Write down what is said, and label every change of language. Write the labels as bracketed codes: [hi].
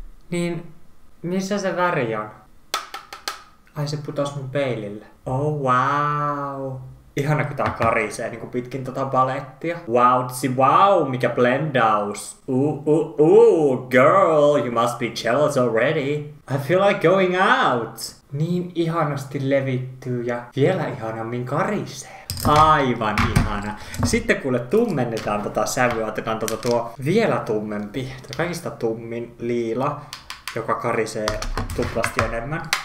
[fi] Niin, missä se väri on? Ai se putos mun peilille. Oh wow! Ihana, kun tää karisee niin kun pitkin tota palettia. Wowtsi wow, mikä blendaus. [en] Girl, you must be jealous already. I feel like going out. [fi] Niin ihanasti levittyy ja vielä ihanammin karisee. Aivan ihana. Sitten kuule tummennetaan tota sävyä, otetaan tota tuo vielä tummempi. Tää kaikista tummin liila, joka karisee tuplasti enemmän.